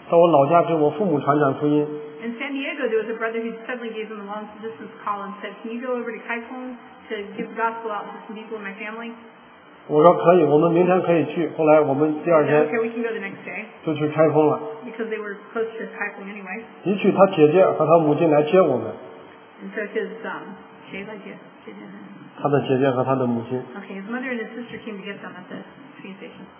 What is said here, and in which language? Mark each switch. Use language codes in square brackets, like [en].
[zh] 还有一次，我们在河南许昌传福音，有个兄弟雅各的一个弟兄打来电话，他说：“赵弟兄，你有没有时间到我老家给我父母传传福音？” [en] In San Diego, there was a brother who suddenly gave him a long distance call and said, "Can you go over to Kaifeng to give the gospel out to some people in my family?" [zh] 我说可以，我们明天可以去。后来我们第二天 [en] okay, we can go the next day. [zh] 就去开封了。 [en] Because they were close to Kaifeng anyway. [zh] 一去，他姐姐和他母亲来接我们。And [en] so his [zh] 谁来接？他的姐姐和他的母亲。Okay, [en] his mother and his sister came to get them at the train station.